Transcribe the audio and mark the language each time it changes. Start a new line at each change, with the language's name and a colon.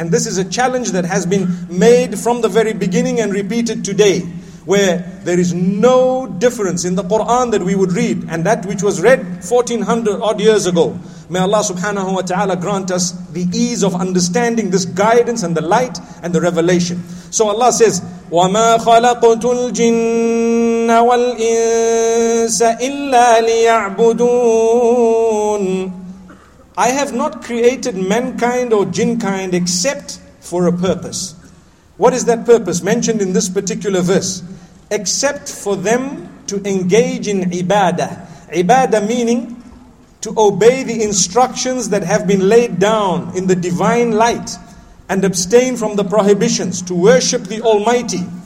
English: And this is a challenge that has been made from the very beginning and repeated today, where there is no difference in the Quran that we would read and that which was read 1400 odd years ago. May Allah subhanahu wa ta'ala grant us the ease of understanding this guidance and the light and the revelation. So Allah says,
Arabic: وَمَا خَلَقْتُ الْجِنَّ وَالْإِنسَ إِلَّا لِيَعْبُدُونَ.
English: I have not created mankind or jinnkind except for a purpose. What is that purpose mentioned in this particular verse? Except for them to engage in ibadah. Ibadah meaning to obey the instructions that have been laid down in the divine light and abstain from the prohibitions, to worship the Almighty.